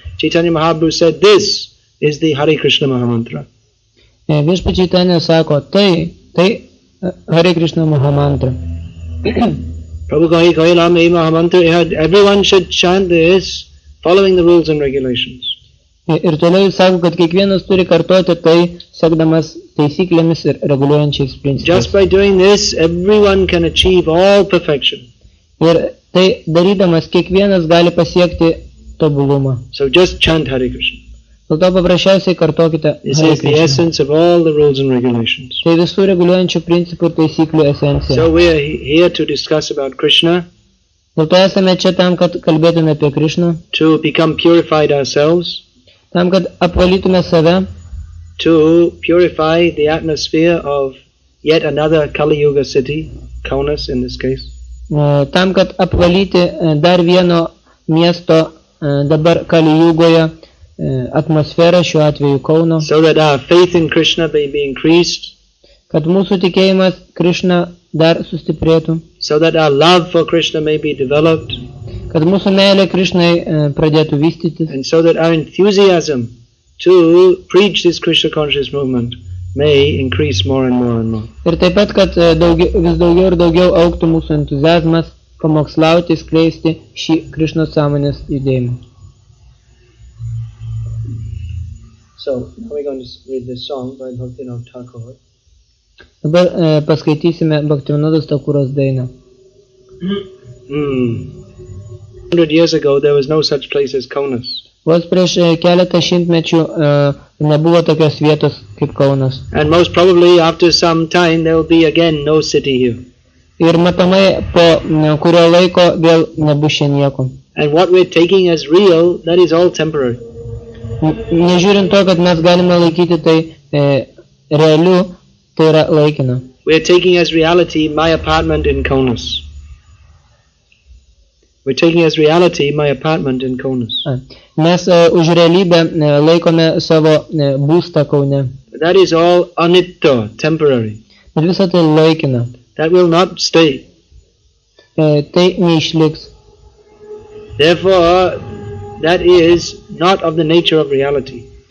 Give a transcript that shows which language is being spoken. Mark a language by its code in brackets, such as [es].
[en] Chaitanya Mahaprabhu said, this is the Hare Krishna Mahamantra. [lt] Viešpats Chaitanya sako, tai Hare Krishna Maha Mantra. [bn] Prabhu Kahi Kahi Lama E Maha Mantra. [en] Everyone should chant this following the rules and regulations. [lt] Ir toliau jis sako, kad kiekvienas turi kartoti tai, sekdamas taisyklėmis ir reguliuojančiais principais. [en] Just by doing this, everyone can achieve all perfection. [lt] Ir tai darydamas, kiekvienas gali pasiekti tobulumą. [en] So just chant Hare Krishna. [lt] Dėl to paprasčiausiai kartokite Hare Krishna. Tai visų reguliuojančių principų ir taisyklių esencija. [en] So we are here to discuss about Krishna. [lt] Dėl to esame čia tam, kad kalbėtume apie Krishna. [en] To become purified ourselves. [lt] Tam, kad apvalytume save. [en] To purify the atmosphere of yet another Kali Yuga city, Kaunas in this case. [lt] Tam, kad apvalyti dar vieno miesto dabar Kali Jugoje atmosferą, šiuo atveju Kauno. [en] So that our faith in Krishna may be increased. [lt] Kad mūsų tikėjimas Krishna dar sustiprėtų. [en] So that our love for Krishna may be developed. [lt] Kad mūsų meilė Krishnai pradėtų vystytis. [en] And so that our enthusiasm to preach this Krishna conscious movement may increase more and more and more. [lt] Ir taip pat, kad vis daugiau ir daugiau auktų mūsų entuziazmas pamokslauti, skleisti šį Krishna sąmonės judėjimą. [en] So, now we're going to read this song by Bhaktivinoda Thakur. [lt] Dabar paskaitysime Bhaktivinoda Thakuras dainą. [en] 100 years ago there was no such place as Kaunas. [lt] Vos prieš keletą šimtmečių nebuvo tokios vietos kaip Kaunas. [en] And most probably after some time there will be again no city here. [lt] Ir matomai po kurio laiko vėl nebus čia nieko. [en] And what we're taking as real, that is all temporary. [lt] Nežiūrint to, kad mes galime laikyti tai realiu, tai yra laikina. [en] We're taking as reality my apartment in Kaunas. We're taking as reality my apartment in Kaunas. [lt] Mes už realybę laikome savo būstą Kaune. [en] That is all anitto, temporary. [lt] Bet visa tai laikina. [en] That will not stay. [lt] Tai neišliks. [en] Therefore, that is not of the nature of reality.